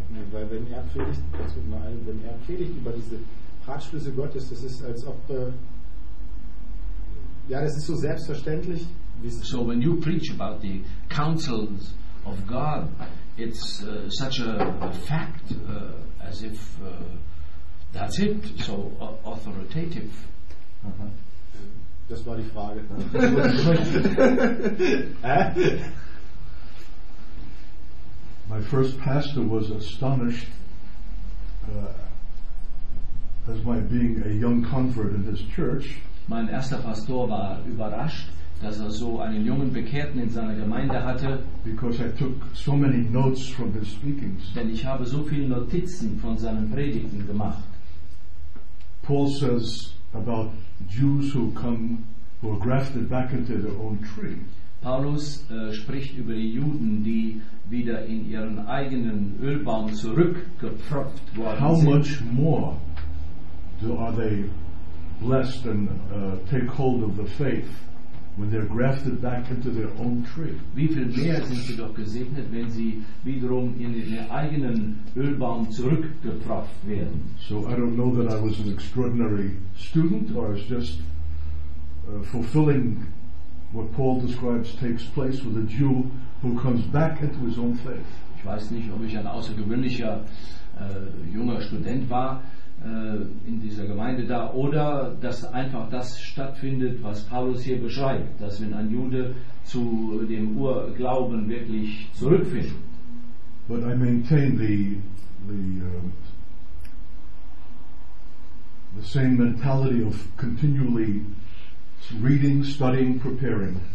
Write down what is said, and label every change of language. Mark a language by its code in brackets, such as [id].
[de] Weil wenn er predigt über diese Ratschlüsse Gottes, das ist als ob das ist so selbstverständlich. [en] So when you preach about the counsels of God, it's such a fact as if that's it, so authoritative. [de] Uh-huh. Das war die Frage. [en] My first pastor was astonished as my being a young convert in his church. [de] Mein erster Pastor war überrascht, dass er so einen jungen Bekehrten in seiner Gemeinde hatte. [en] Because I took so many notes from his speakings. [de] Denn ich habe so viele Notizen von seinen Predigten gemacht. [en] Paul says about Jews who come, who are grafted back into their own tree. [de] Paulus spricht über die Juden, die wieder in ihren eigenen Ölbaum zurückgepfropft worden [en] How [de] sind. [en] How much more do are they blessed and take hold of the faith when they're grafted back into their own tree? [de] Wie viel mehr sind sie doch gesegnet, wenn sie wiederum in ihren eigenen Ölbaum zurückgepfropft werden? [en] So I don't know that I was an extraordinary student or I was just fulfilling what Paul describes takes place with a Jew who comes back into his own faith. [de] Ich weiß nicht, ob ich ein außergewöhnlicher junger Student war in dieser Gemeinde da, oder dass einfach das stattfindet, was Paulus hier beschreibt, dass wenn ein Jude zu dem Urglauben wirklich zurückfindet. [en] But I maintain the same mentality of continually reading, studying, preparing.